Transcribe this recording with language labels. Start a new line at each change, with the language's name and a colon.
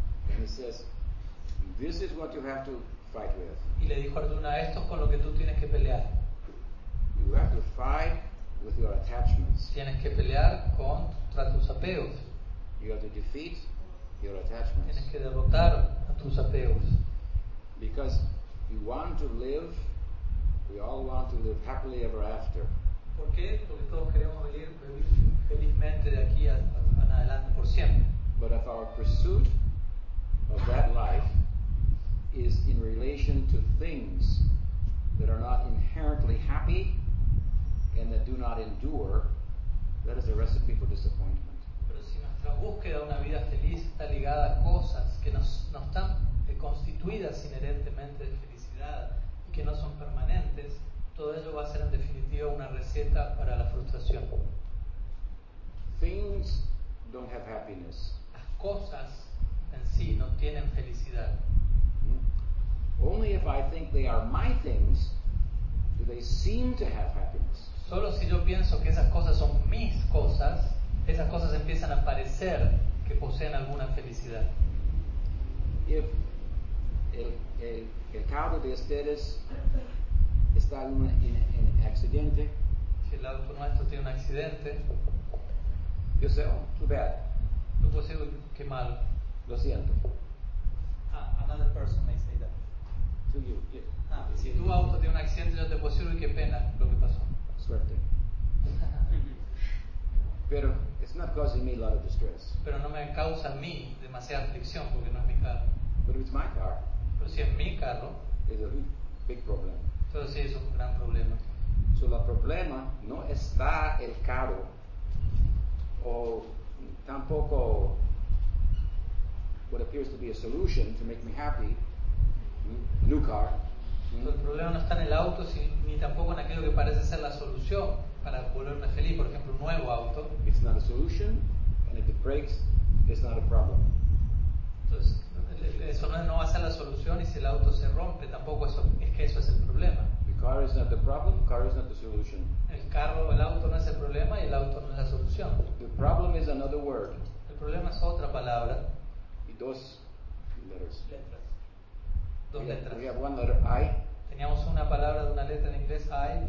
English: And he says, this is what you have to fight with.
Spanish: Y le dijo a Arjuna, esto es con lo que tú tienes que pelear.
English: You have to fight with your attachments.
Spanish: Tienes que pelear contra tus apegos.
English: You have to defeat your attachments.
Spanish: Tienes que derrotar a tus apegos.
English: Because you want to live, we all want to live happily ever after.
Spanish: ¿Por qué? Porque todos queremos vivir felizmente de aquí en adelante por siempre.
English: But if our pursuit of that life is in relation to things that are not inherently happy and that do not endure, that is a recipe for disappointment.
Spanish: La búsqueda de una vida feliz está ligada a cosas que no están constituidas inherentemente de felicidad y que no son permanentes. Todo ello va a ser en definitiva una receta para la frustración.
English: Things don't have happiness.
Spanish: Las cosas en sí no tienen felicidad.
English: Only if I think they are my things do they seem to have happiness.
Spanish: Solo si yo pienso que esas cosas son mis cosas, esas cosas empiezan a parecer que poseen alguna felicidad. If el carro de ustedes está en un accidente, si el auto nuestro tiene un accidente, yo sé,
English: oh, too bad.
Spanish: Yo puedo decir que mal. Lo siento.
English: Ah, another person may say that. To you. Yeah.
Spanish: Ah, si tu auto tiene un accidente, yo te puedo decir que pena lo que pasó. Suerte.
English: Pero it's not causing me a lot of distress.
Spanish: Pero no me causa a mí demasiada aflicción porque no es mi carro.
English: But if it's my car,
Spanish: pero si es mi carro,
English: is a big problem.
Spanish: Entonces sí, es un gran problema.
English: So
Spanish: el problema no está el carro, o tampoco
English: what appears to be a solution to make me happy, new car.
Spanish: El problema no está en el auto, ni tampoco en aquello que parece ser la solución para volverme feliz, por ejemplo, un nuevo auto.
English: It's not a solution, and it breaks, it's not a problem.
Spanish: Entonces, eso no va a ser la solución, y si el auto se rompe, tampoco eso, es que eso es el problema.
English: The car is not the problem, the car is not the solution.
Spanish: El carro, el auto no es el problema y el auto no es la solución.
English: The problem is another word.
Spanish: El problema es otra palabra. Y dos letras. Letras. Dos letras.
English: We have one letter, I.
Spanish: Teníamos una palabra de una letra en inglés, I.